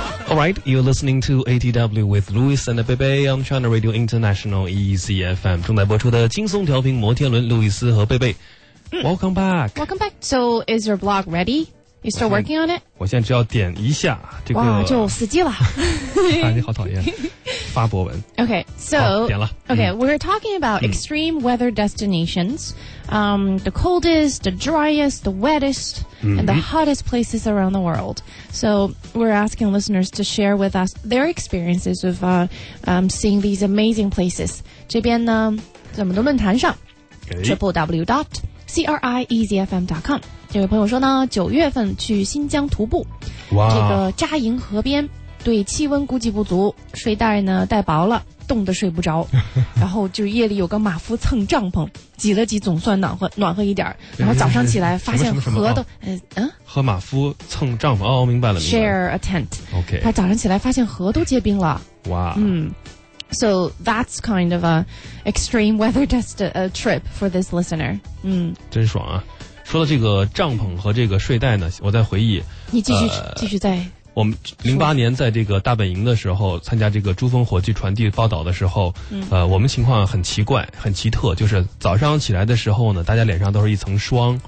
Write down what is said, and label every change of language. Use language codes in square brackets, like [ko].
[en] Alright, you're listening to ATW with Louis and Bebe on China Radio International ECFM. [zh] 正在播出的轻松调频摩天轮路易斯和贝贝。 [en] Welcome back. Welcome back. So, is your blog ready? You still working on it? [zh] 我现在只要点一下这个。哇，就死机了。哎、你好讨厌。发博文。 [en] Okay, so. [zh] 点了。 [en] Okay, we're talking about extreme weather destinations. The coldest, the driest, the wettest. And the hottest places around the world. So we're asking listeners to share with us their experiences of seeing these amazing places. [zh] 这边呢，在我们的论坛上、www.criezfm.com 这位朋友说呢，九月份去新疆徒步、 [en] wow. [zh] 这个扎营河边，对气温估计不足，睡袋呢带薄了，冻得睡不着，然后就夜里有个马夫蹭帐篷，挤了挤总算暖和一点，然后早上起来发现河都和马夫蹭帐篷，哦，明白了。 [en] Share a tent. OK. [zh] 他早上起来发现河都结冰了。哇。 [en] So that's kind of a extreme weather test a trip for this listener. [zh] 真爽啊！说到这个帐篷和这个睡袋呢，我在回忆。你继续在。我们2008年在这个大本营的时候参加这个珠峰火炬传递报道的时候、我们情况很奇怪很奇特，就是早上起来的时候呢，大家脸上都是一层霜。